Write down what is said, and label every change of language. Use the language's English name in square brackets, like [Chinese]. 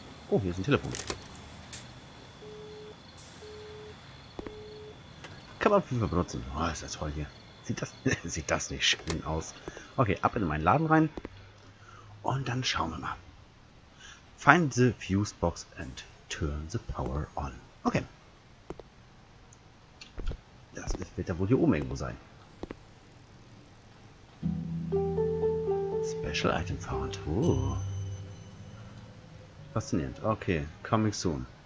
[German] Oh, hier ist ein Telefon. Kann man auf jeden Fall benutzen. Oh, ist das toll hier. Sieht das nicht schön aus? Okay, ab in meinen Laden rein. Und dann schauen wir mal. [English] Find the fuse box and turn the power on. Okay. [German] Das wird ja wohl hier oben irgendwo sein. [English] Special Item found. Faszinierend. Okay, coming soon.